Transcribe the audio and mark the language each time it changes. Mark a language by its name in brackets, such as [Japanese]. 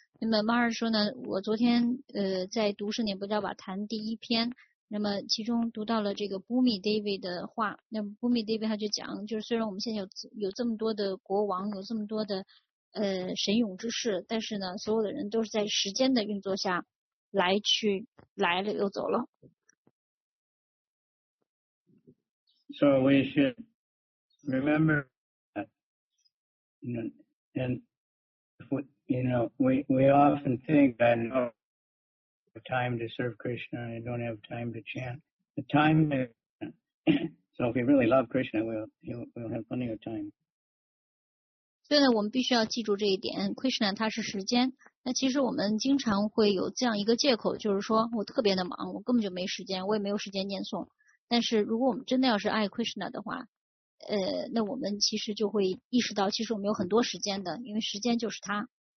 [Chinese] 那么马尔说呢，我昨天在读《圣典不教法谈》第一篇，那么其中读到了这个 Bhumi Devi 的话。那 Bhumi Devi 他就讲，就是虽然我们现在有这么多的国王，有这么多的神勇之士，但是呢，所有的人都是在时间的运作下来去来了又走了。 [English] So we should remember that, you know, and if we, you know, we often think, I don't have time to serve Krishna, I don't have time to chant. The time is, so if we really love Krishna, we'll have plenty of time. [Chinese] 所以呢，我们必须要记住这一点， Krishna 它是时间。那其实我们经常会有这样一个借口，就是说我特别的忙，我根本就没时间，我也没有时间念诵。但是如果我们真的要是爱 Krishna 的话，那我们其实就会意识到，其实我们有很多时间的，因为时间就是它。